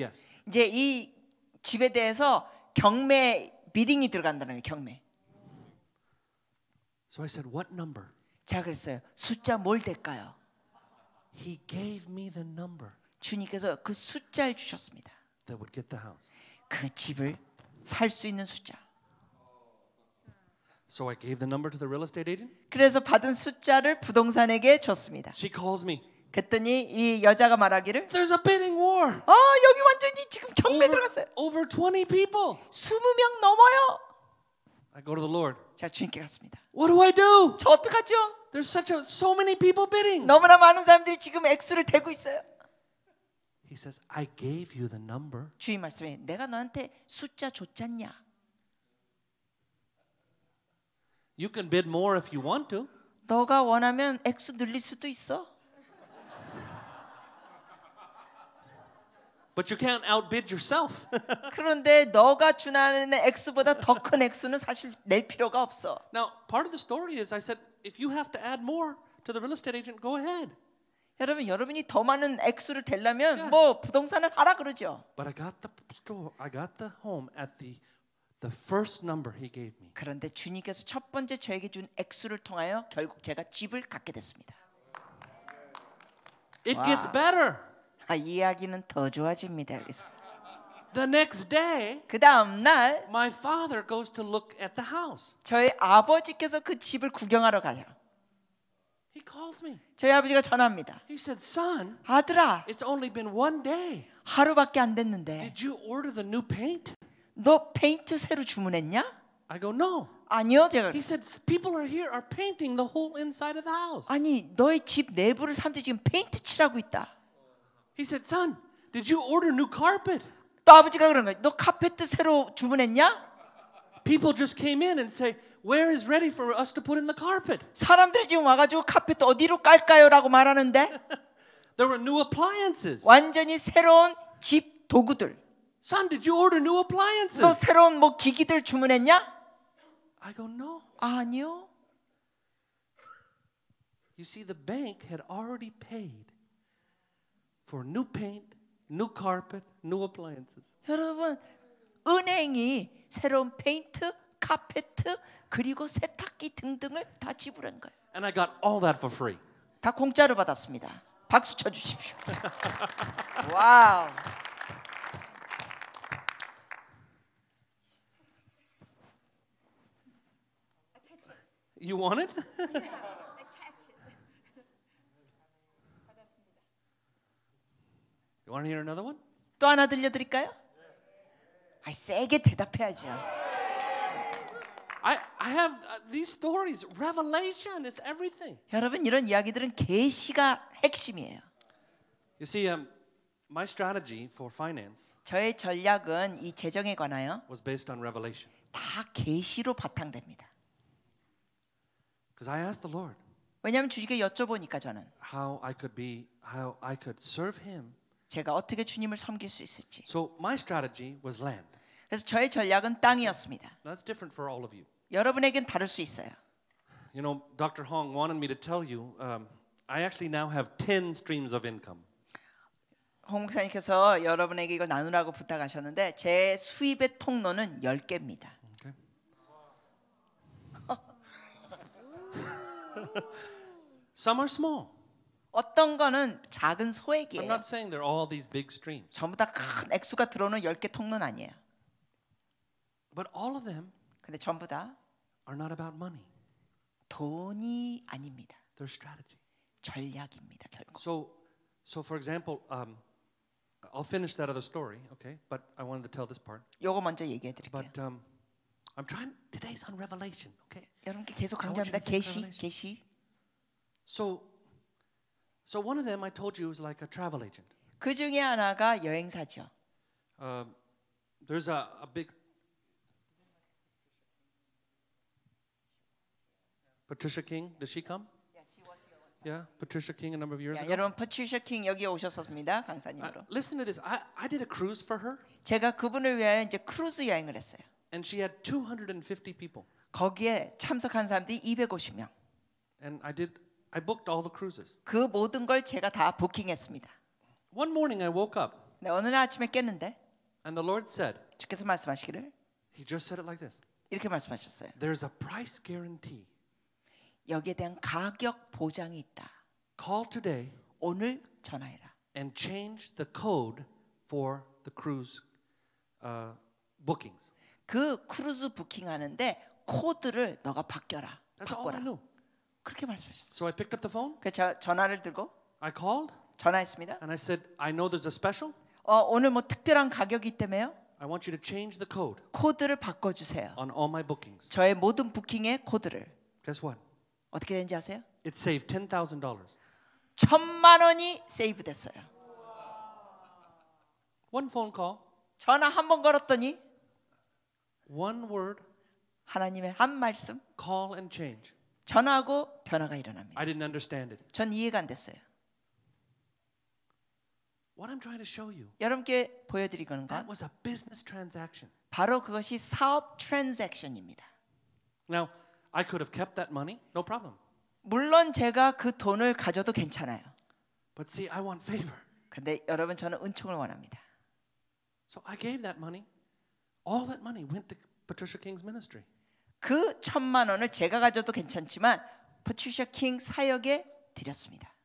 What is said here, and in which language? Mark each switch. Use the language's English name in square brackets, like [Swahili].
[English] Yes. [Korean] 이제 이 집에 대해서 경매 비딩이 들어간다는 거예요, 경매. [English] So I said, what number? [Korean] 제가 그랬어요. 숫자 뭘 될까요? [English] He gave me the number. [Korean] 주님께서 그 숫자를 주셨습니다. [English] That would get the house. [Korean] 그 집을 살 수 있는 숫자. [English] So I gave the number to the real estate agent? [Korean] 그래서 받은 숫자를 부동산에게 줬습니다. [English] She calls me. [Korean] 그랬더니 이 여자가 말하기를 [English] There's a bidding war. [Korean] 아, 여기 완전히 지금 경매 들어갔어요. [English] Over 20 people. [Korean] 20명 넘어요. [English] I go to the Lord. [Korean] 제가 주님께 갔습니다. [English] What do I do? [Korean] 저 어떡하죠? [English] There's such a so many people bidding. [Korean] 너무나 많은 사람들이 지금 액수를 대고 있어요. [English] He says, I gave you the number. [Korean] 주님 말씀해. 내가 너한테 숫자 줬잖냐? [English] You can bid more if you want to. [Korean] 너가 원하면 액수 늘릴 수도 있어. [English] But you can't outbid yourself. [Korean] 그런데 너가 주나는 액수보다 더 큰 액수는 사실 낼 필요가 없어. [English] Now, part of the story is I said if you have to add more, to the real estate agent, go ahead. [Korean] 여러분, 여러분이 더 많은 액수를 대려면 yeah. 뭐 부동산을 하라 그러죠. [English] But I got the score. I got the home at the first number he gave me. [Korean] 그런데 주님께서 첫 번째 저에게 준 액수를 통하여 결국 제가 집을 갖게 됐습니다. [English] It wow. gets better. [Korean] 아, 이야기는 더 좋아집니다. 여기서. [English] The next day, [Korean] 그 다음 날, [English] my father goes to look at the house. [Korean] 저희 아버지께서 그 집을 구경하러 가요. [English] He calls me. [Korean] 저희 아버지가 전합니다. [English] He said, "Son, [Korean] 아들아, [English] it's only been one day. [Korean] 하루밖에 안 됐는데. [English] Did you order the new paint? [Korean] 너 페인트 새로 주문했냐?" [English] I go, "No." [Korean] 아니요, 제가. [English] He said, "People are here are painting the whole inside of the house." [Korean] 아니, 너희 집 내부를 사람들이 지금 페인트 칠하고 있다. [English] He said, "Son, did you order new carpet?" [Korean] 또 아버지가 그런 거예요. 너 카펫 새로 주문했냐? [English] People just came in and say, "Where is ready for us to put in the carpet?" [Korean] 사람들이 지금 와가지고 카펫 어디로 깔까요?라고 말하는데. [English] There were new appliances. [Korean] 완전히 새로운 집 도구들. [English] "Son, did you order new appliances?" [Korean] 너 새로운 뭐 기기들 주문했냐? [English] I go, "No." [Korean] 아니요. [English] You see, the bank had already paid for new paint. New carpet, new appliances. [Korean] 여러분, 은행이 새로운 페인트, 카펫, 그리고 세탁기 등등을 다 지불한 거예요. [English] And I got all that for free. [Korean] 다 공짜로 받았습니다. 박수 쳐 주십시오. 와우. [English] You want it? Want to hear another one? [Korean] 또 하나 들려드릴까요? 아이 세게 대답해야죠. [English] I have these stories. Revelation is everything. [Korean] 여러분 이런 이야기들은 계시가 핵심이에요. [English] You see, my strategy for finance. [Korean] 저의 전략은 이 재정에 관하여. [English] Was based on revelation. [Korean] 다 계시로 바탕됩니다. [English] Because I asked the Lord. [Korean] 왜냐하면 주님께 여쭤보니까 저는. [English] How I could serve Him. [Korean] 제가 어떻게 주님을 섬길 수 있을지. [English] So my strategy was land. [Korean] 그래서 저의 전략은 땅이었습니다. [English] That's different for all of you. [Korean] 여러분에겐 다를 수 있어요. [English] You know, Dr. Hong wanted me to tell you, I actually now have 10 streams of income. [Korean] 홍 목사님께서 여러분에게 이걸 나누라고 부탁하셨는데 제 수입의 통로는 10개입니다. [English] Okay. Some are small. [Korean] 어떤 거는 작은 소액이에요. [English] I'm not saying they're all these big streams. [Korean] 전부 다 큰 액수가 들어오는 10개 통로는 아니에요. [English] But all of them [Korean] 근데 전부 다 [English] are not about money. [Korean] 돈이 아닙니다. [English] They're strategy. [Korean] 전략입니다, 결국. [English] So for example, I'll finish that other story, okay? But I wanted to tell this part. [Korean] 요거 먼저 얘기해 드릴게요. [English] But I'm trying today's on revelation, okay? [Korean] 여러분께 계속 강조합니다. 계시. [English] So one of them I told you was like a travel agent. [Korean] 그 중에 하나가 여행사죠. [English] There's a big Patricia King. Did she come? Yeah, she was here one time. Yeah, Patricia King a number of years ago. [Korean] 여러분, Patricia King 여기 오셨습니다, 강사님으로. [English] Listen to this. I did a cruise for her. [Korean] 제가 그분을 위해 이제 크루즈 여행을 했어요. [English] And she had 250 people. [Korean] 거기에 참석한 사람들이 250명. [English] And I did. I booked all the cruises. [Korean] 그 모든 걸 제가 다 부킹했습니다. [English] One morning I woke up. [Korean] 네, 어느 날 아침에 깼는데. [English] And the Lord said. [Korean] 주께서 말씀하시기를. [English] He just said it like this. [Korean] 이렇게 말씀하셨어요. [English] There's a price guarantee. [Korean] 여기에 대한 가격 보장이 있다. [English] Call today. [Korean] 오늘 전화해라. [English] And change the code for the cruise bookings. [Korean] 그 크루즈 부킹하는데 코드를 너가 바꿔라. [English] That's all I knew. [Korean] 그렇게 말씀하셨어요. [English] So I picked up the phone. [Korean] 그래서 전화를 들고. [English] I called. [Korean] 전화했습니다. [English] And I said, "I know there's a special." [Korean] 오늘 뭐 특별한 가격이 때문에요. [English] I want you to change the code. [Korean] 코드를 바꿔주세요. [English] On all my bookings. [Korean] 저의 모든 부킹의 코드를. [English] Guess what? [Korean] 어떻게 된지 아세요? [English] It saved $10,000. [Korean] 천만 원이 save 됐어요. [English] One phone call. [Korean] 전화 한 번 걸었더니. [English] One word. [Korean] 하나님의 한 말씀. [English] Call and change. [Korean] 전하고 변화가 일어납니다. [English] I didn't understand it. [Korean] 전 이해가 안 됐어요. [English] What I'm trying to show you. [Korean] 여러분께 보여드리는 건 [English] That was a business transaction. [Korean] 바로 그것이 사업 트랜잭션입니다. [English] Now, I could have kept that money. No problem. [Korean] 물론 제가 그 돈을 가져도 괜찮아요. [English] But see, I want favor. [Korean] 근데 여러분 저는 은총을 원합니다. [English] So I gave that money. All that money went to Patricia King's ministry. [Korean] 그 천만 원을 제가 가져도 괜찮지만 Patricia King 사역에 드렸습니다.